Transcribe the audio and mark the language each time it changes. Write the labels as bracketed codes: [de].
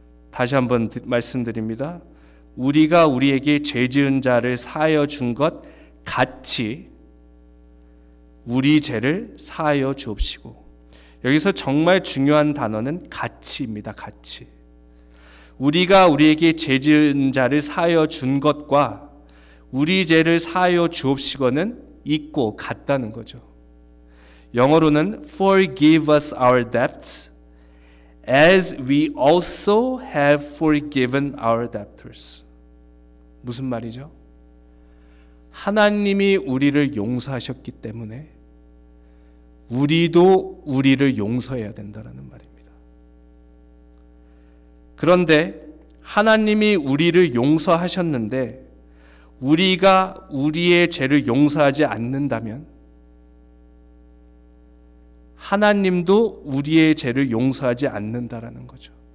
[ko] 다시 한번 말씀드립니다. 우리가 우리에게 죄 지은 자를 사하여 준 것 같이 우리 죄를 사하여 주옵시고. 여기서 정말 중요한 단어는 같이입니다. 같이. 우리가 우리에게 죄 지은 자를 사하여 준 것과 우리 죄를 사하여 주옵시고는 있고 같다는 거죠. 영어로는 [en] forgive us our debts as we also have forgiven our debtors. [ko] 무슨 말이죠? 하나님이 우리를 용서하셨기 때문에 우리도 우리를 용서해야 된다는 말입니다. 그런데 하나님이 우리를 용서하셨는데 우리가 우리의 죄를 용서하지 않는다면 하나님도 우리의 죄를 용서하지 않는다라는 거죠.